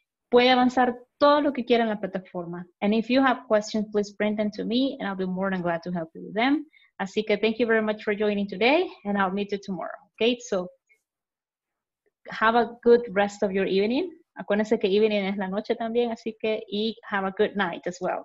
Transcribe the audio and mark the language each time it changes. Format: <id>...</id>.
<es>Puede avanzar todo lo que quiera en la plataforma.</es> <en>And if you have questions, please bring them to me, and I'll be more than glad to help you with them. Así que, thank you very much for joining today, and I'll meet you tomorrow, okay? So, have a good rest of your evening.</en> <es>Acuérdense que evening es la noche también, así que, y</es> <en>have a good night as well.</en>